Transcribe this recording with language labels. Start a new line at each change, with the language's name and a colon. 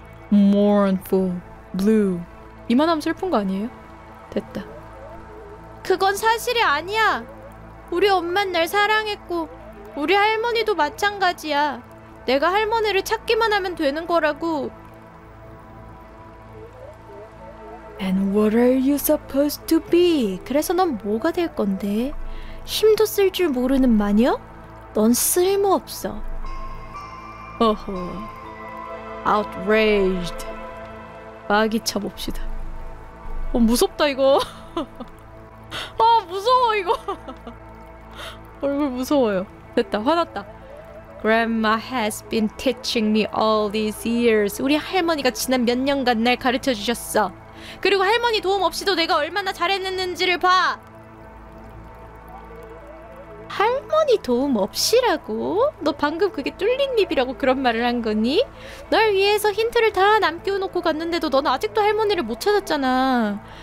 English: Mournful. Blue.
Korean: 이만하면 슬픈 거 아니에요? 됐다. 그건 사실이 아니야. 우리 엄만 날 사랑했고 우리 할머니도 마찬가지야. 내가 할머니를 찾기만 하면 되는 거라고.
English: And what are you supposed to be?
Korean: 그래서 넌 뭐가 될 건데? 힘도 쓸줄 모르는 마녀? 넌 쓸모없어. 어허. Outraged. 마귀 쳐봅시다. 무섭다, 이거. 무서워, 이거. 얼굴 무서워요. 됐다, 화났다.
English: Grandma has been teaching me all these years.
Korean: 우리 할머니가 지난 몇 년간 날 가르쳐 주셨어. 그리고 할머니 도움 없이도 내가 얼마나 잘했는지를 봐. 할머니 도움 없이라고? 너 방금 그게 뚫린 입이라고 그런 말을 한 거니? 널 위해서 힌트를 다 남겨놓고 갔는데도 넌 아직도 할머니를 못 찾았잖아.